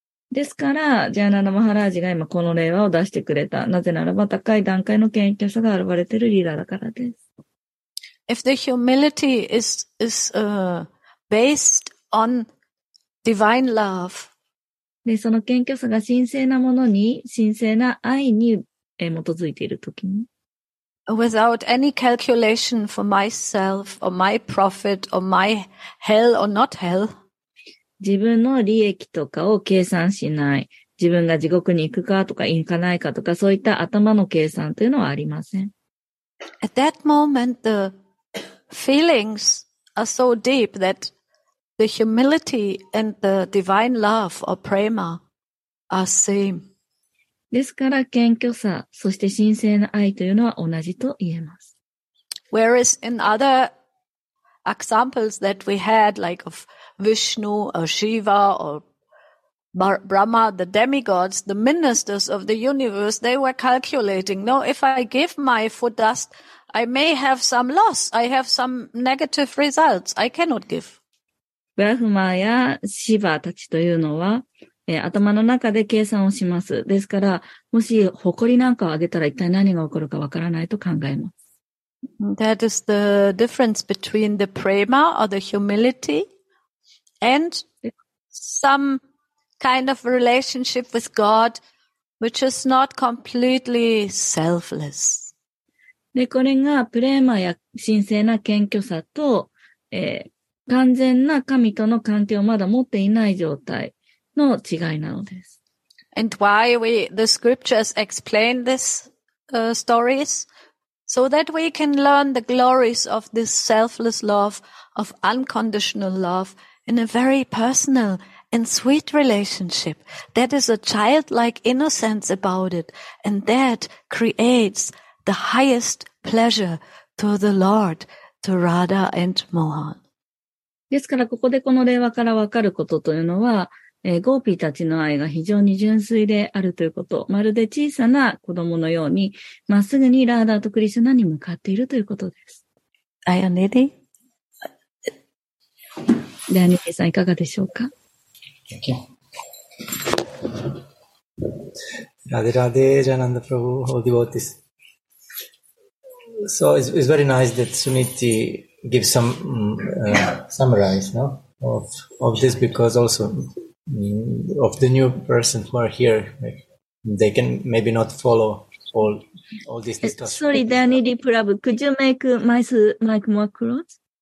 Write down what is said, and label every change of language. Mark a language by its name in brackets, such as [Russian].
[Japanese] ですから、ジャーナナ・マハラージが今この令和を出してくれた。なぜならば高い段階の謙虚さが現れているリーダーだからです。 [English] If the humility is based on divine love. [Japanese] で、その謙虚さが神聖なものに、神聖な愛に基づいているときに。 [English] without any calculation for myself or my profit or my hell or not hell. [Japanese] 自分の利益とかを計算しない。自分が地獄に行くかとか行かないかとか、そういった頭の計算というのはありません。 [English] At that moment, the feelings are so deep that the humility and the divine love or prema are same. [Japanese] ですから、謙虚さ、そして神聖な愛というのは同じと言えます。 [English] Whereas in other examples that we had, like of Vishnu or Shiva or Brahma, the demigods, the ministers of the universe, they were calculating, no, if I give my foot dust, I may have some loss, I have some negative results, I cannot give. [Japanese] ブラフマやシヴァたちというのは、頭の中で計算をします。ですから、もし誇りなんかをあげたら一体何が起こるかわからないと考えます。 [English] That is the difference between the prema or the humility and some kind of relationship with God, which is not completely selfless. [Japanese] で、これがプレーマや神聖な謙虚さと、完全な神との関係をまだ持っていない状態の違いなのです。 [English] And why the scriptures explain this, stories? So that we can learn the glories of this selfless love, of unconditional love, in a very personal and sweet relationship. That is a childlike innocence about it, and that creates the highest pleasure to the Lord, to Radha and Mohan. [Japanese] ですから、ここでこの令和からわかることというのは、ゴーピーたちの愛が非常に純粋であるということ。まるで小さな子供のように、まっすぐにラーダーとクリシュナに向かっているということです。アヤネディ。で、アニメさんいかがでしょうか？ラデラデジャナンダプロブ、オーディボーティス。 [English] So, it's very nice that Suniti gives some summarize, no? Of this because also,of the new person who are here, they can maybe not follow all this discussion. Sorry, Danny Prabhu, could you make my mic more close?